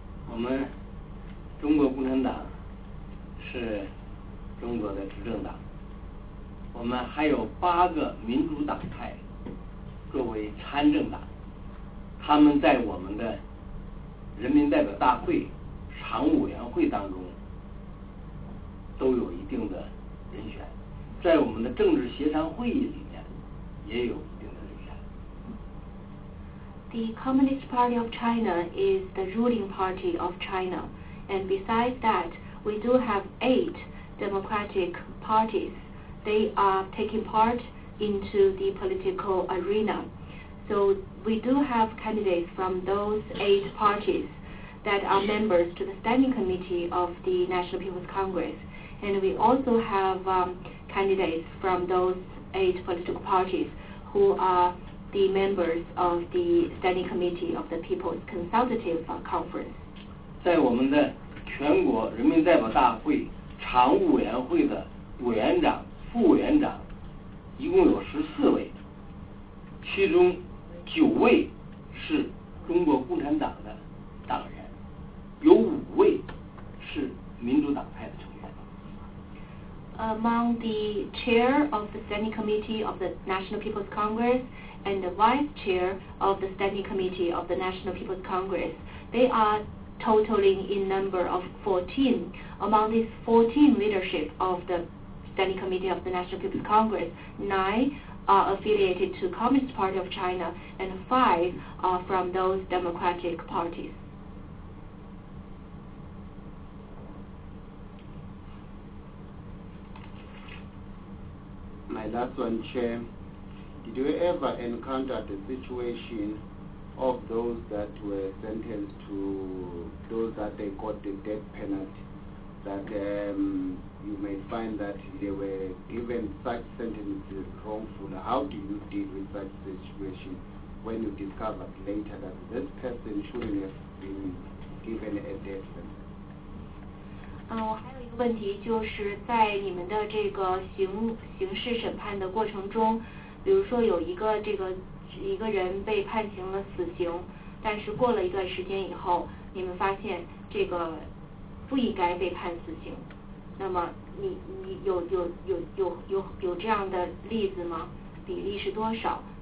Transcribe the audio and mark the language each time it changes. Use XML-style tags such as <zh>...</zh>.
<zh>我们中国共产党是中国的执政党，我们还有8个民主党派作为参政党，他们在我们的人民代表大会常务委员会当中都有一定的人选，在我们的政治协商会议里面也有一定的人选。</zh> <en>The Communist Party of China is the ruling party of China. And besides that, we do have 8 democratic parties. They are taking part into the political arena. So we do have candidates from those 8 parties that are members to the Standing Committee of the National People's Congress. And we also have candidates from those 8 political parties who are the members of the Standing Committee of the People's Consultative Conference.</en> <zh>在我们的全国人民代表大会常务委员会的委员长、副委员长一共有14位，其中9位是中国共产党的党人，有5位是民主党派的成员。</zh> <en>Among the chair of the Standing Committee of the National People's Congress and the vice chair of the Standing Committee of the National People's Congress, they are totaling in number of 14. Among these 14 leadership of the Standing Committee of the National People's Congress, 9 are affiliated to Communist Party of China and 5 are from those democratic parties. My last one, Chair. Did you ever encounter the situation of those that were sentenced to those that they got the death penalty, that you may find that they were given such sentences wrongfully? How do you deal with such situation when you discover later that this person shouldn't have been given a death sentence?</en> <zh>我还有一个问题，就是在你们的这个刑事审判的过程中，比如说有一个这个一个人被判刑了死刑，但是过了一段时间以后，你们发现这个不应该被判死刑，那么你有这样的例子吗？比例是多少？</zh>